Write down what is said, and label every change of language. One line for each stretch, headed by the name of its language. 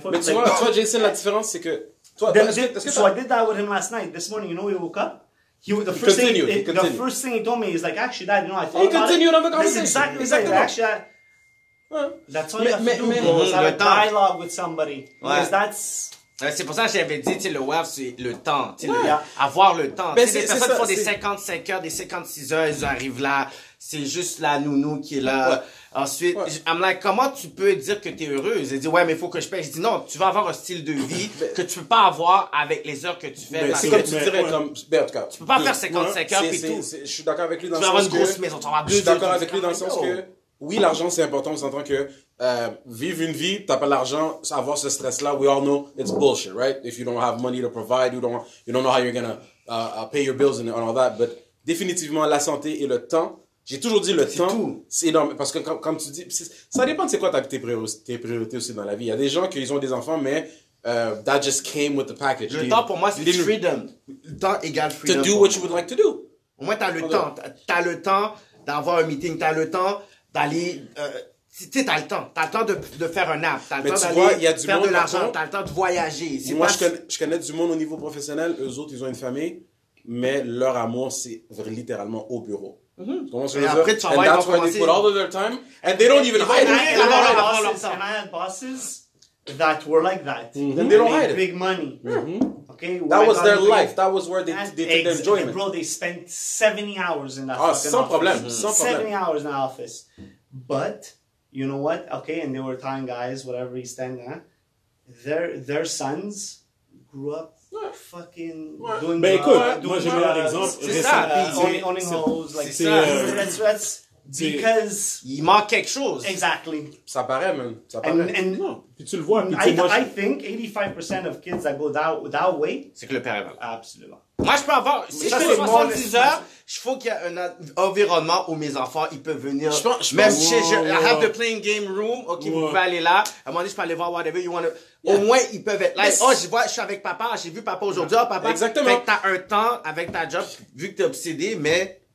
French: toi, Jason, la différence, c'est que... So
English: I did that with him last night. This morning, you know, he woke up. The first thing he told me is, like, actually, Dad, you know, I thought about it. He continued on the conversation. This is exactly right. Actually, that's all you have to do, have a dialogue with somebody. Ouais. That's...
French: C'est pour ça que j'avais dit, le WAF, c'est le temps. Avoir le temps. Ben les personnes font des 55 heures, des 56 heures, elles arrivent là. C'est juste la nounou qui est là. Ouais. Ensuite,
English: I'm like,
French: comment tu peux dire que t'es heureuse? Elle dit, ouais, mais il faut que je paye. Je dis, non, tu vas avoir un style de vie que tu peux pas avoir avec les heures que tu fais. Mais c'est comme tu dirais, comme, ben, en tout cas. Tu peux pas faire 55 heures et tout. Je suis d'accord avec lui dans le sens que... Tu vas avoir une grosse maison, tu vas avoir deux. Je suis d'accord avec lui dans le sens que... Oui, l'argent, c'est important. On s'entend que vivre une vie, t'as pas l'argent, avoir ce stress-là,
English: we all know it's bullshit, right? If you don't have money to provide, you don't know how you're gonna pay your bills and all that.
French: But définitivement, la santé et le temps, j'ai toujours dit le temps, c'est énorme. Parce que comme tu dis, ça dépend de c'est quoi tes priorités aussi dans la vie. Il y a des gens qui ont des enfants, mais
English: that just came with the package.
French: Le temps pour moi, c'est freedom. Le temps égale freedom.
English: To do what you would like to do.
French: Au moins, t'as le temps. T'as le temps d'avoir un meeting, t'as le temps... d'aller, tu sais, t'as le temps de faire un app, t'as le temps d'aller faire de l'argent, t'as le temps de voyager. C'est moi, je connais du monde au niveau professionnel, eux autres, ils ont une famille, mais leur amour, c'est littéralement au bureau. Mm-hmm. Et après, tu vas voir, ils vont commencer.
English: Put all of their time, and they don't even hide it. I had bosses that were like that. And they don't hide it. Big money. Okay, that was their life. That was where they took their enjoyment. Bro, they spent 70 hours in that fucking
French: office. Sans problème.
English: 70 hours in the office. But, you know what? Okay, and they were telling guys, whatever he's saying, their sons grew up fucking doing
French: drugs. Ben écoute, moi j'ai mis un exemple. C'est ça.
English: Owning hoes. That's because...
French: Il manque quelque chose.
English: Exactly.
French: Ça paraît même. Ça paraît.
English: And
French: non. Puis tu le vois.
English: I think 85% of kids that go that way...
French: C'est que le père est mal. Absolument. Moi, je peux avoir... Si je fais 70 heures, il faut qu'il y ait un environnement où mes enfants, ils peuvent venir... Je pense,
English: I have the playing game room.
French: OK, ouais. Vous pouvez aller là. À un moment donné, je peux aller voir
English: whatever you want to... Yeah.
French: Au moins, ils peuvent être là. Like, oh, je suis avec papa. J'ai vu papa aujourd'hui. Oh, papa. Exactement. Fait que t'as un temps avec ta job, vu que t'es obsédé, mais...